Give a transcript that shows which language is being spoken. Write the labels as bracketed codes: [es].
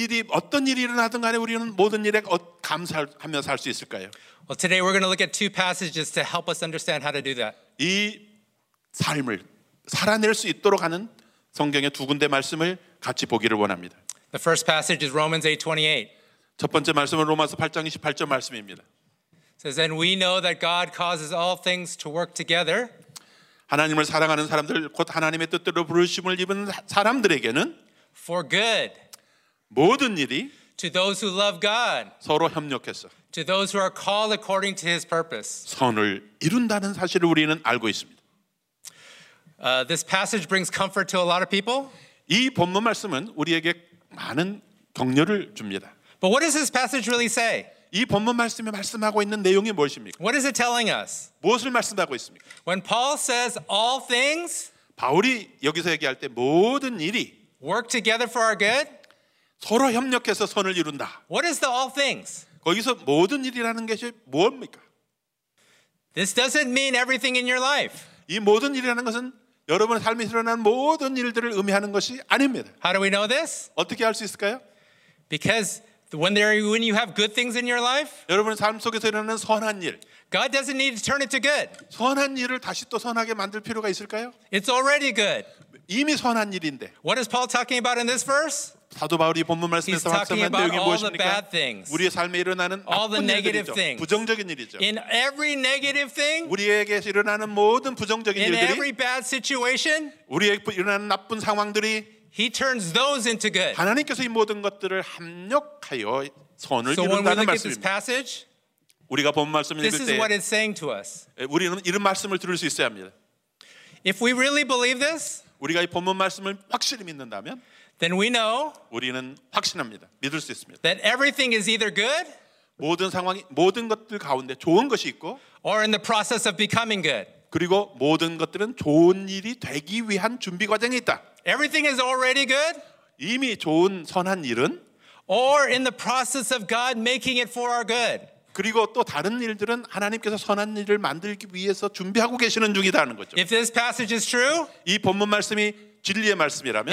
[ko] 어떤 일이 일어나든 간에 우리는 모든 일에 감사하며 살 수 있을까요? [en] Well, today we're going to look at two passages to help us understand how to do that. [ko] 이 삶을 살아낼 수 있도록 하는 성경의 두 군데 말씀을 같이 보기를 원합니다. [en] The first passage is Romans 8:28. [ko] 첫 번째 말씀은 로마서 8장 28절 말씀입니다. [en] It says, "And we know that God causes all things to work together." [ko] 하나님을 사랑하는 사람들, 곧 하나님의 뜻대로 부르심을 입은 사람들에게는 [en] for good. [ko] 모든 일이 [en] to those who love God. [ko] 서로 협력해서 [en] to those who are called according to his purpose. [ko] 선을 이룬다는 사실을 우리는 알고 있습니다. [en] This passage brings comfort to a lot of people. [ko] 이 본문 말씀은 우리에게 많은 격려를 줍니다. [en] But what does this passage really say? [ko] 이 본문 말씀이 말씀하고 있는 내용이 무엇입니까? [en] What is it telling us? [ko] 무엇을 말씀하고 있습니까? [en] When Paul says all things [ko] 바울이 여기서 얘기할 때 모든 일이 [en] work together for our good [ko] 서로 협력해서 선을 이룬다. [en] What is the all things? [ko] 거기서 모든 일이라는 것이 뭡니까? [en] This doesn't mean everything in your life. [ko] 이 모든 일이라는 것은 여러분의 삶에 일어난 모든 일들을 의미하는 것이 아닙니다. [en] How do we know this? [ko] 어떻게 알 수 있을까요? [en] Because when you have good things in your life, [ko] 여러분의 삶 속에서 일어나는 선한 일, [en] God doesn't need to turn it to good. [ko] 선한 일을 다시 또 선하게 만들 필요가 있을까요? [en] It's already good. [ko] 이미 선한 일인데. [en] What is Paul talking about in this verse? [ko] 사도 바울이 본문 말씀에서 확신한 내용이 무엇입니까? 우리의 삶에 일어나는 [en] all the negative [ko] 일들이죠. 부정적인 일이죠. [en] In every negative thing, [ko] 우리에게 일어나는 모든 부정적인 [en] in [ko] 일들이 [en] every bad situation, [ko] 우리에게 일어나는 나쁜 상황들이 [en] He turns those into good. [ko] 하나님께서 이 모든 것들을 합력하여 선을 [en] so [ko] 이룬다는 말씀입니다. [en] Passage, [ko] 우리가 본 말씀을 [en] this [ko] 읽을 [en] is [ko] 때 [en] what to us. [ko] 우리는 이런 말씀을 들을 수 있어야 합니다. [en] If we really believe this, [ko] 우리가 이 본문 말씀을 확실히 믿는다면 [en] then we know [ko] 우리는 확신합니다. 믿을 수 있습니다. [en] That everything is either good [ko] 모든 상황이 모든 것들 가운데 좋은 것이 있고 [en] or in the process of becoming good [ko] 그리고 모든 것들은 좋은 일이 되기 위한 준비 과정이 있다. [en] Everything is already good [ko] 이미 좋은 선한 일은 [en] or in the process of God making it for our good [ko] 그리고 또 다른 일들은 하나님께서 선한 일을 만들기 위해서 준비하고 계시는 중이라는 거죠. [en] If this passage is true [ko] 이 본문 말씀이 진리의 말씀이라면